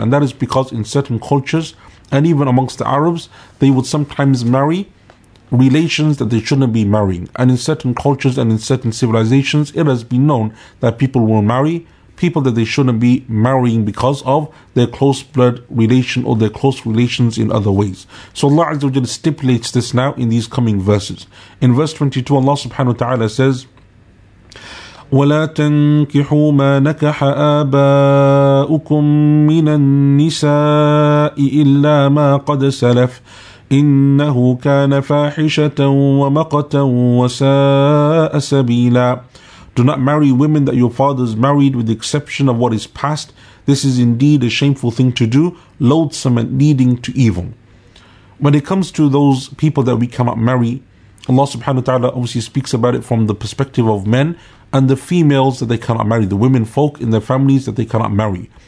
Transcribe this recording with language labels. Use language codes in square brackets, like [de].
[en] And that is because in certain cultures, and even amongst the Arabs, they would sometimes marry relations that they shouldn't be marrying. And in certain cultures and in certain civilizations, it has been known that people will marry people that they shouldn't be marrying because of their close blood relation or their close relations in other ways. So Allah Azza wa Jalla stipulates this now in these coming verses. [ar] In verse 22, Allah subhanahu wa ta'ala says, وَلَا تَنْكِحُوا مَا نَكَحَ آبَاؤُكُمْ مِنَ النِّسَاءِ إِلَّا مَا قَدْ سَلَفْ إِنَّهُ كَانَ فَاحِشَةً وَمَقَتًا وَسَاءَ سَبِيلًا. [en] Do not marry women that your fathers married, with the exception of what is past. This is indeed a shameful thing to do, loathsome and leading to evil. When it comes to those people that we cannot marry, Allah subhanahu wa ta'ala obviously speaks about it from the perspective of men and the females that they cannot marry, the women folk in their families that they cannot marry.